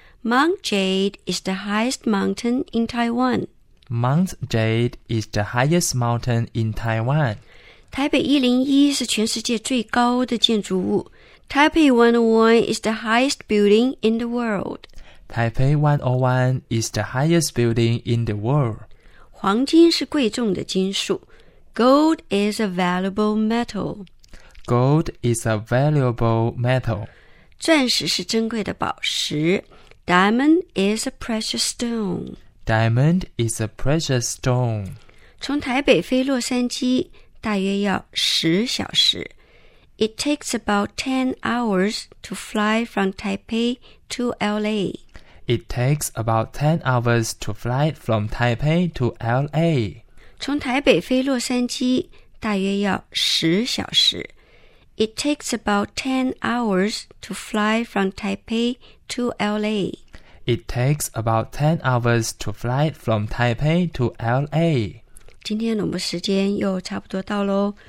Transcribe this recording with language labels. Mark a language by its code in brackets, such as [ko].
[en] Mount Jade is the highest mountain in Taiwan. Mount Jade is the highest mountain in Taiwan. [zh] 台北101是全世界最高的建筑物。 [en] Taipei 101 is the highest building in the world. Taipei 101 is the highest building in the world. [zh] 黄金是贵重的金属。 [en] Gold is a valuable metal. Gold is a valuable metal. [zh] 钻石是珍贵的宝石。 [en] Diamond is a precious stone. Diamond is a precious stone. [zh] 从台北飞洛杉矶大约要十小时。 [en] It takes about 10 hours to fly from Taipei to LA. It takes about 10 hours to fly from Taipei to LA. [zh] 从台北飞洛杉矶大约要十小时。 [en] It takes about 10 hours to fly from Taipei to LA. It takes about 10 hours to fly from Taipei to LA. [zh] 今天我们时间又差不多到咯。